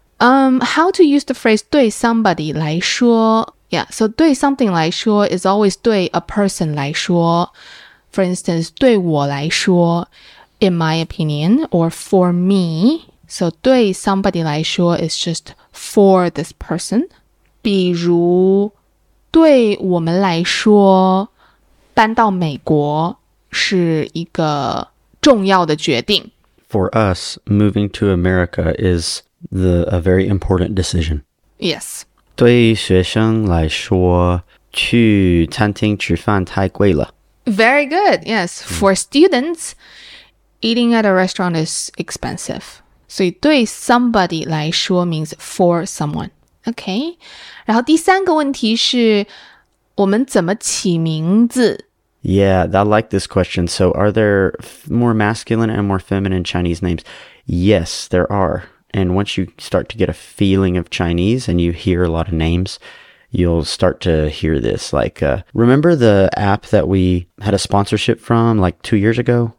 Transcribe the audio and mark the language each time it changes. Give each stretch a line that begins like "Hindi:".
English: How to use the phrase 对 somebody 来说. Yeah, so 对 something 来说 is always 对 a person 来说. For instance,
Chinese: 对我来说,
English: in my opinion, or for me. So 对 somebody 来说 is just for this person.
Chinese: 比如对我们来说搬到美国是一个重要的决定。
English: for us, moving to America is a very important decision. Yes.
Chinese: 对学生来说，去餐厅吃饭太贵了。
English: Very good. Yes. For students, eating at a restaurant is expensive.
Chinese: 所以
English: 对 somebody 来说 means for someone. Okay.
Chinese: 然后第三个问题是我们怎么起名字？
English: Yeah, I like this question. So are there more masculine and more feminine Chinese names? Yes, there are. And once you start to get a feeling of Chinese and you hear a lot of names, you'll start to hear this. Like, remember the app that we had a sponsorship from like 2 years ago?